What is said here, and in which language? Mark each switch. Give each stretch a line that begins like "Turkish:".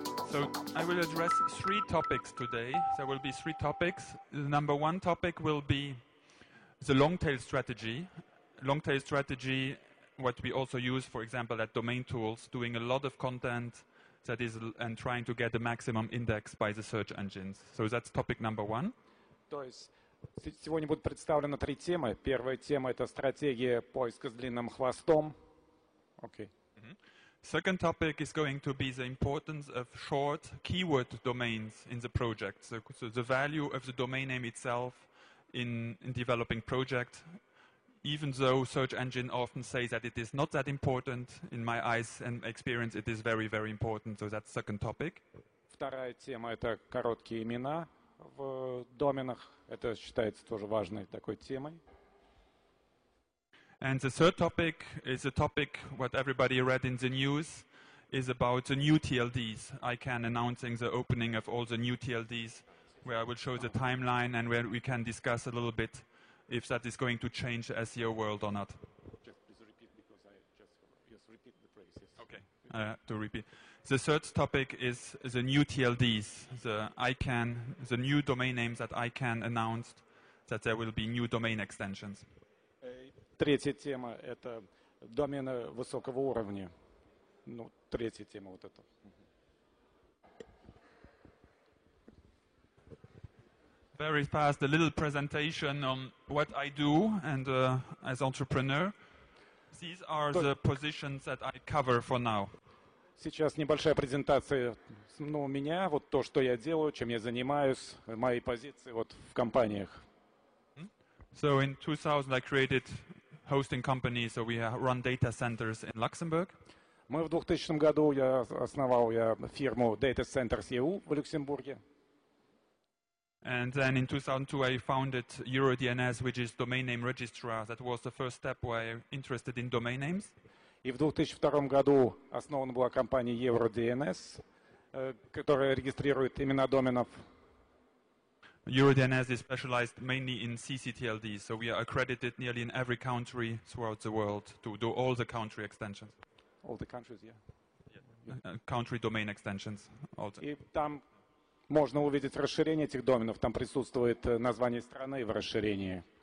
English: So I will address three topics today. There will be three topics. The number one topic will be the long tail strategy. Long tail strategy, what we also use, for example, at Domain Tools, doing a lot of content that is and trying to get the maximum index by the search engines. So that's topic number one.
Russian: То есть сегодня будут представлены три темы. Первая тема — это стратегия поиска с длинным хвостом.
English: Okay. Mm-hmm. Second topic is going to be the importance of short keyword domains in the project. So the value of the domain name itself in developing project, even though search engine often say that it is not that important, in my eyes and experience, it is very, very important. So that's second topic.
Russian: Вторая тема — это короткие имена в доменах. Это считается тоже важной такой темой.
English: And the third topic is a topic what everybody read in the news is about the new TLDs. ICANN announcing the opening of all the new TLDs, where I will show the timeline and where we can discuss a little bit if that is going to change the SEO world or not. Just please repeat because I just repeat the phrase. Yes. Okay, to repeat. The third topic is the new TLDs, the ICANN, the new domain names that ICANN announced that there will be new domain extensions.
Russian: Третья тема — это домены высокого уровня. Ну, третья тема — вот это.
English: Very fast, a little presentation on what I do and as entrepreneur. These are the positions that I cover for now.
Russian: Сейчас небольшая презентация, ну, у меня, вот то, что я делаю, чем я занимаюсь, мои позиции вот в компаниях.
English: So in 2000 I created hosting company, so we run data centers in Luxembourg.
Russian: Мы в 2000 году я основал я фирму Data Centers EU в Люксембурге.
English: And then in 2002 I founded EuroDNS, which is domain name registrar. That was the first step where I'm interested in domain names.
Russian: И в 2002 году основана была компания EuroDNS, которая регистрирует имена доменов.
English: EuroDNS is specialized mainly in ccTLD, so we are accredited nearly in every country throughout the world to do all the country extensions. All the countries, yeah. Country domain extensions.
Russian: И там можно увидеть расширение этих доменов, там присутствует название страны в расширении.